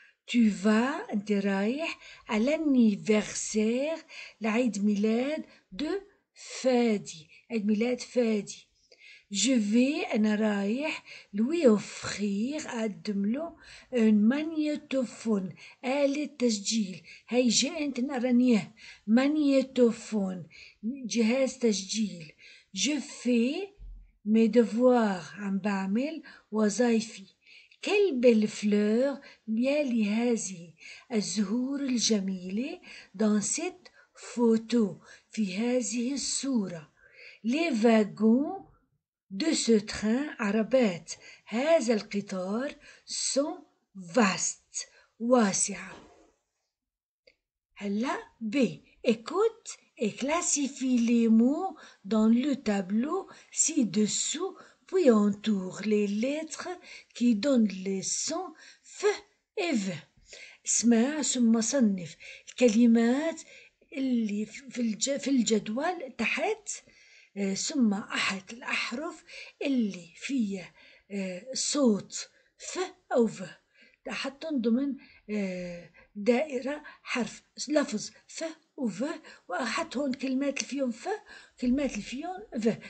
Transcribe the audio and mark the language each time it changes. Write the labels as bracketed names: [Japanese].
[French] tu vas [Arabic] انت رايح [French] à l'anniversaire [Arabic] لعيد ميلاد de فادي، عيد ميلاد فادي. [French] je vais [Arabic] انا رايح [French] lui offrir [Arabic] اقدم له un مانيتوفون آلة تسجيل. هاي جي انت نقرانيه مانيتوفون جهاز تسجيل. [French] je fais mes devoirs [Arabic] عم بعمل وظايفي. [French] quelle belle fleur [Arabic] يالي هذه الزهور الجميلة [French] dans cette photo [Arabic] في هذه الصورة. [French] les wagons de ce train [Arabic] عربات هذا القطار [French] sont vastes [Arabic] واسعة. هلا ب [French] écoute et classifie les mots dans le tableau ci-dessous puis entoure les lettres qui donnent les sons ف et v. [Arabic] اسمع ثم صنف الكلمات اللي في الجدول تحت ثم أحط الأحرف اللي فيها صوت ف أو ف، أحطهم ضمن دائرة حرف لفظ ف أو ف، وأحط هون كلمات اللي فيهم ف كلمات اللي فيهم ف.